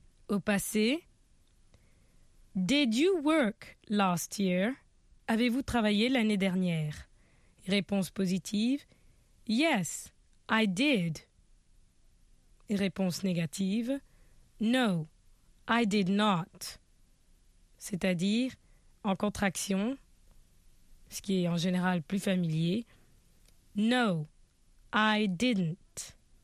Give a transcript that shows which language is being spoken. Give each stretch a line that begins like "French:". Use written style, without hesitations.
French: Au passé,
English: did you work last year?
French: Avez-vous travaillé l'année dernière? Réponse positive,
English: yes, I did.
French: Réponse négative,
English: no, I did not.
French: C'est-à-dire, en contraction, ce qui est en général plus familier,
English: no, I didn't.